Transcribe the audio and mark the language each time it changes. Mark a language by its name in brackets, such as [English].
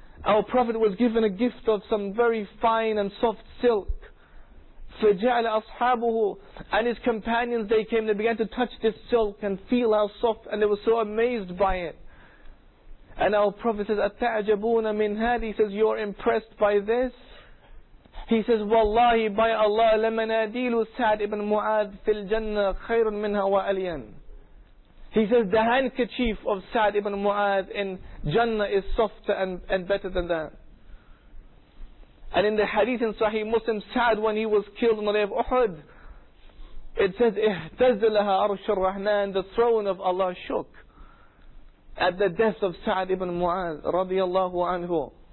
[English] Our Prophet was given a gift of some very fine and soft silk. [Arabic] فَجَعَلَ أَصْحَابُهُ. [English] And his companions, they came, they began to touch this silk and feel how soft, and they were so amazed by it. And our Prophet says, [Arabic] أَتَعْجَبُونَ مِنْ هَذِي. [English] He says, you're impressed by this? He says, [Arabic] وَاللَّهِ [English] by Allah, [Arabic] لَمَنَادِيلُ سَعْدِ ibn Mu'adh فِي الْجَنَّةِ خَيْرٌ مِنْهَا وَأَلْيَنَ. [English] He says, the handkerchief of Sa'd ibn Mu'adh in Jannah is softer and better than that. And in the hadith in Sahih Muslim, Sa'd, when he was killed on the day of Uhud, it says, [Arabic] اِهْتَزَّلَهَا عَرْشُ الرَّحْمَنِ. [English] The throne of Allah shook at the death of Sa'd ibn Mu'adh radiallahu anhu.